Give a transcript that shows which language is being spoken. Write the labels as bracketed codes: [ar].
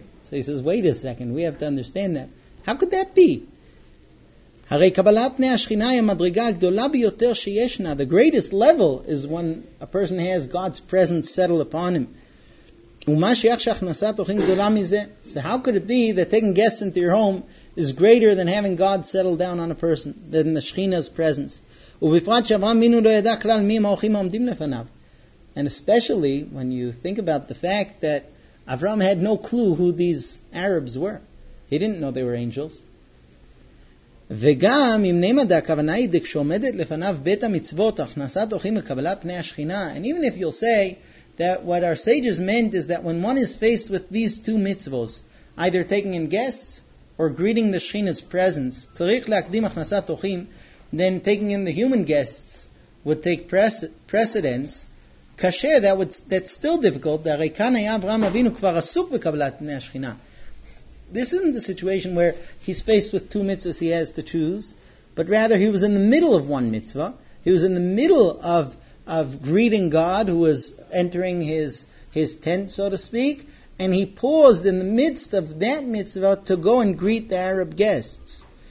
[en] So he says, wait a second, we have to understand that. How could that be? [he] הרי קבלת פני השכינה היא המדרגה הגדולה ביותר שישנה. [en] The greatest level is when a person has God's presence settled upon him. [he] ומה שייך שהכנסת אורחים גדולה מזה? [en] So how could it be that taking guests into your home is greater than having God settled down on a person, than the Shechina's presence? [he] ובפרט שאברהם מינו לא ידע כלל מי הם האורחים העומדים לפניו. [en] And especially when you think about the fact that Avram had no clue who these Arabs were. He didn't know they were angels. [he] וגם אם נמדה הכוונה היא דקשומדת לפניו בית המצוות הכנסת אורחים וקבלת פני השכינה. [en] And even if you'll say that what our sages meant is that when one is faced with these two mitzvos, either taking in guests or greeting the Shechina's presence, [he] צריך להקדים הכנסת אורחים, [en] then taking in the human guests would take precedence. קשה, that's still difficult. [he] הרי כאן היה אברהם אבינו כבר עסוק בקבלת פני השכינה. [en] This isn't a situation where he's faced with two mitzvahs he has to choose, but rather he was in the middle of one mitzvah. He was in the middle of greeting God, who was entering his tent, so to speak, and he paused in the midst of that mitzvah to go and greet the Arab guests.